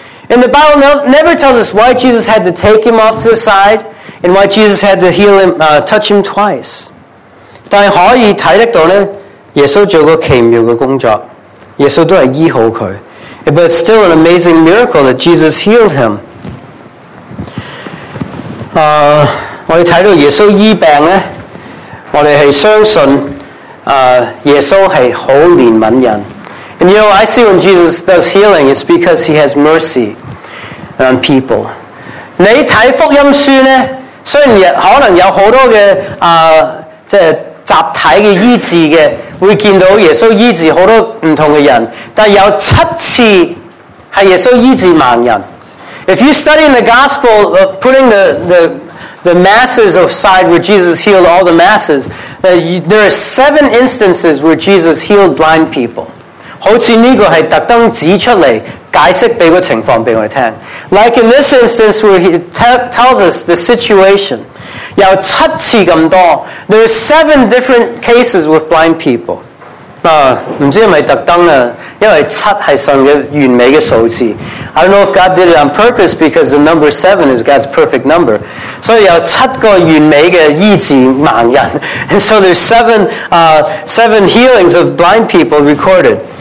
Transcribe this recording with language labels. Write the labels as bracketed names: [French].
[English] And the Bible never tells us why Jesus had to take him off to the side and why Jesus had to heal him, touch him twice. [Chinese] 但可以看得到,耶稣做过奇妙的工作,耶稣都是医好他。 [English] But it's still an amazing miracle that Jesus healed him. [Chinese] 我们看到耶稣医病呢, 我们是相信耶稣是很怜悯人。 [English] And you know, I see when Jesus does healing, it's because he has mercy on people. [Chinese] 你看福音书呢, 虽然可能有很多的集体的医治的, 会见到耶稣医治很多不同的人, 但有七次是耶稣医治盲人。 [English] If you study in the gospel, putting the masses of side where Jesus healed all the masses, there are seven instances where Jesus healed blind people. [Chinese] 好像这个是特意指出来解释给个情况给我们听。 [English] Like in this instance where he tells us the situation, [Chinese] 有七次这么多, [English] there are seven different cases with blind people. [Chinese] 不知道是不是特意的,因为七是神的完美的数字。 [English] I don't know if God did it on purpose because the number seven is God's perfect number. [Chinese] 所以有七个完美的医治盲人。 [English] And so there's seven healings of blind people recorded.